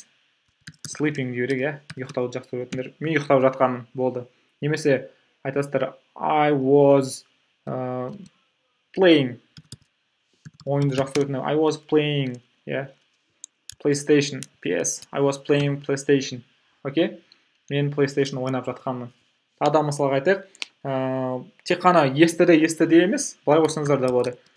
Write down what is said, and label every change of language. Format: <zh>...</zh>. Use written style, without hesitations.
<en>I was sleeping</en> <kk>дейді, ұйықтауды жақсы көретін. Мен ұйықтап жатқаным болды. Немесе айтасыздар,</kk> <en>I was playing.</en> <kk>Ойынды жақсы көретін.</kk> <en>I was playing PlayStation. Okay?</en> <kk>мен PlayStation ойнап жатқанмын. Адам мысалға айтайық, тек қана естіде естіде емес, былай қойсаңыздар да болады.</kk>